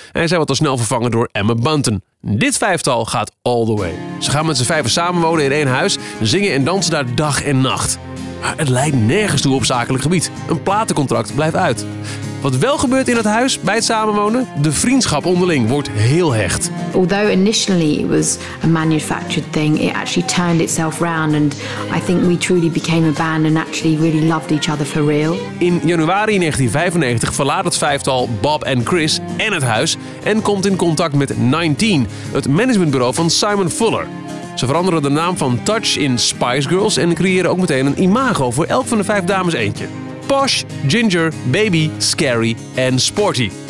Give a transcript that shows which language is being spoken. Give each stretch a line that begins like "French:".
Dutch: En zij wordt al snel vervangen door Emma Bunton. Dit vijftal gaat
English: all the way.
Dutch: Ze gaan met z'n vijven samenwonen in één huis, zingen en dansen daar dag en nacht. Maar het leidt nergens toe op zakelijk gebied. Een platencontract blijft uit. Wat wel gebeurt in het huis bij het samenwonen? De vriendschap onderling wordt heel hecht.
English: Although initially it was a manufactured thing, it actually turned itself round and I think we truly became a band and actually really loved each other for real.
Dutch: In januari 1995 verlaat het vijftal Bob en Chris en het huis en komt in contact met 19, het managementbureau van Simon Fuller. Ze veranderen de naam van Touch in Spice Girls en creëren ook meteen een imago voor elk van de vijf dames eentje. Posh, Ginger, Baby, Scary en Sporty.